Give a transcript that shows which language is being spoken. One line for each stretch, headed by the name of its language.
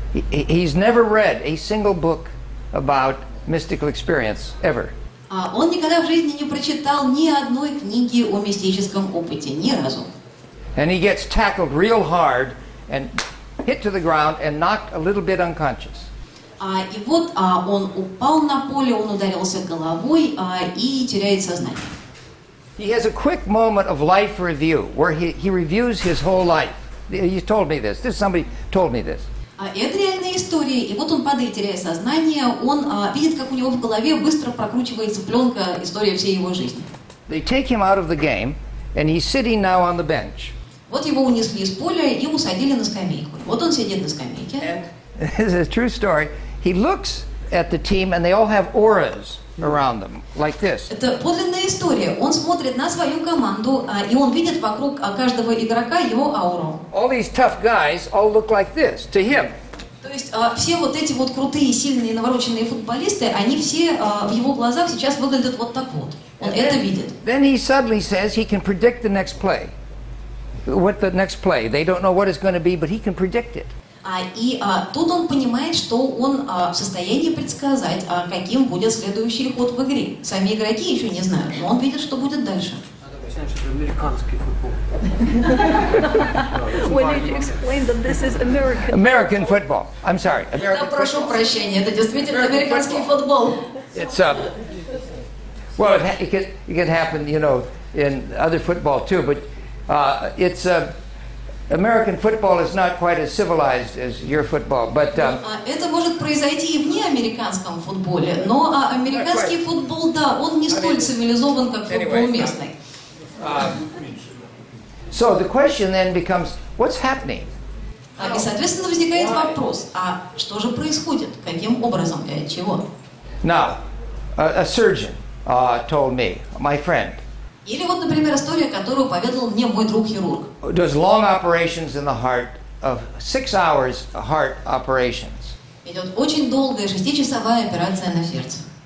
English: He's never read a single book about mystical experience ever.
Russian: Он никогда в жизни не прочитал ни одной книги о мистическом опыте, ни разу.
English: And he gets tackled real hard and hit to the ground and knocked a little bit unconscious.
Russian: И вот он упал на поле, он ударился головой и теряет сознание.
English: He has a quick moment of life review where he reviews his whole life. He told me this. This somebody told me this.
Russian: Это реальная история, и вот он падает, теряя сознание, он видит, как у него в голове быстро прокручивается пленка история всей его жизни.
English: They take him out of the game, and he's sitting now on the bench.
Russian: Вот его унесли из поля и усадили на скамейку. Вот он сидит на скамейке.
English: This is a true story. He looks at the team, and they all have auras around them, like this.
Russian: Это подлинная история. Он смотрит на свою команду, и он видит вокруг каждого игрока его ауру.
English: All these tough guys all look like this to him.
Russian: То есть все вот эти вот крутые, сильные, навороченные футболисты, они все в его глазах сейчас выглядят вот так вот. Он это видит.
English: Then he suddenly says he can predict the next play. What the next play? They don't know what it's going to be, but he can predict it.
Russian: Тут он понимает, что он в состоянии предсказать, каким будет следующий ход в игре. Сами игроки еще не знают, но он видит, что будет дальше.
English: When did you explain that this is American? American football. I'm sorry.
Russian: Прошу прощения, это действительно американский футбол.
English: It's Well, it can happen, you know, in other football too, but it's a American football is not quite as civilized as your football, but
Russian: это может произойти и вне американском футболе, но американский футбол, да, он не столь цивилизован, как футбол местный.
English: So the question then becomes, what's happening?
Russian: И соответственно возникает вопрос: а что же происходит? Каким образом и от чего?
English: Now, a surgeon told me, my friend.
Russian: Или вот, например, история, которую поведал мне мой друг хирург.
English: Does long operations in the heart, of 6 hours heart operations.
Russian: Идет очень долгая шестичасовая операция на сердце.